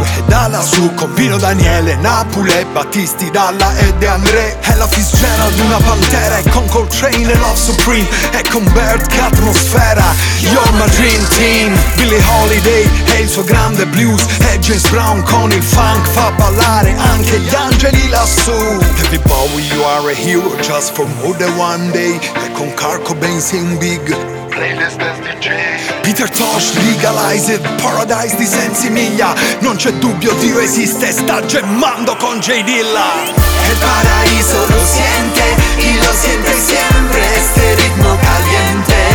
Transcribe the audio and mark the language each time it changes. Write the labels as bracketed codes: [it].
[it] E da lassù con Pino Daniele, Napule, Battisti, Dalla e De André. È la Fitzgerald una pantera. E con Coltrane e Love Supreme. E con Bird che atmosfera. [en] You're my dream team. [it] Billie Holiday e il suo grande blues. E James Brown con il funk fa ballare anche gli angeli lassù. [en] David Bowie, you are a hero just for more than one day. [it] E con Kurt Cobain [en] sing big. Peter Tosh legalized paradise di Sensimiglia. [it] Non c'è dubbio, Dio esiste, sta gemmando con J Dilla. [es] El paraíso lo siente y lo siente siempre este ritmo caliente.